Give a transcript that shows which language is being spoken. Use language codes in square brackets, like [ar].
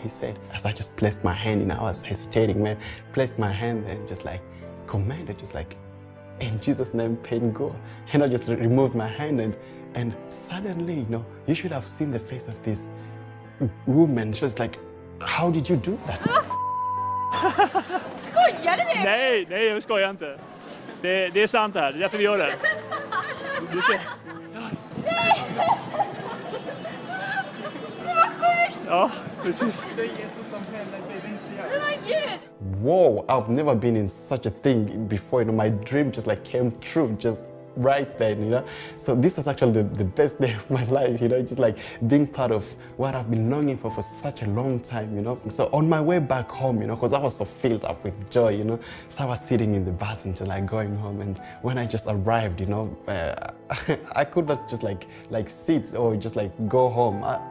[en] He said, as I just placed my hand, you know, I was hesitating, man, placed my hand and just like commanded, just like, in Jesus' name, pain go. And I just removed my hand and suddenly, you know, you should have seen the face of this woman. She was like, how did you do that? [sv] Skojar du? Nej, jag skojar inte. Det är sant här. Det är därför vi gör det. Du ser. Det var sjukt. Ja, precis. Det är Jesus som händer, det är inte jag. Det var Gud. [en] Whoa, I've never been in such a thing before. You know, my dream just like came true. Just right then, you know. So this was actually the best day of my life, you know, just like being part of what I've been longing for such a long time, you know. So on my way back home, you know, because I was so filled up with joy, you know, so I was sitting in the bus and just like going home, and when I just arrived, you know, I could not just like sit or just like go home.